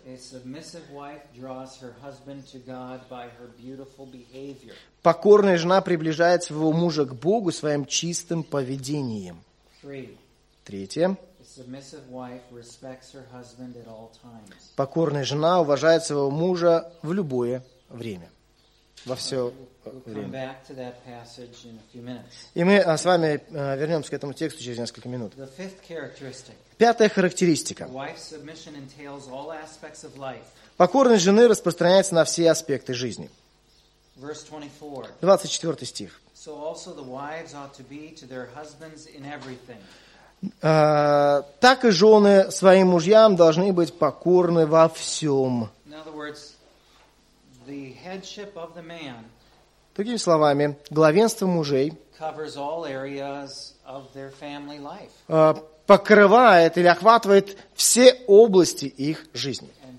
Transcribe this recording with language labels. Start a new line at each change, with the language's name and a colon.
English: A submissive wife draws her husband to God by her beautiful behavior.
Russian: Покорная жена приближает своего мужа к Богу своим чистым поведением. Третье.
English: Submissive wife respects her husband at all times.
Russian: Покорная жена уважает своего мужа в любое время. Во все время.
English: We'll come back to that passage in a few minutes.
Russian: И мы с вами вернемся к этому тексту через несколько минут.
English: The fifth characteristic.
Russian: Пятая характеристика.
English: Wife's submission entails all aspects of life.
Russian: Покорность жены распространяется на все аспекты жизни.
English: Verse 24.
Russian: 24 стих.
English: So also the wives ought to be to their husbands in everything.
Russian: Так и жены своим мужьям должны быть покорны во всем. Другими словами, главенство мужей покрывает или охватывает все области их жизни.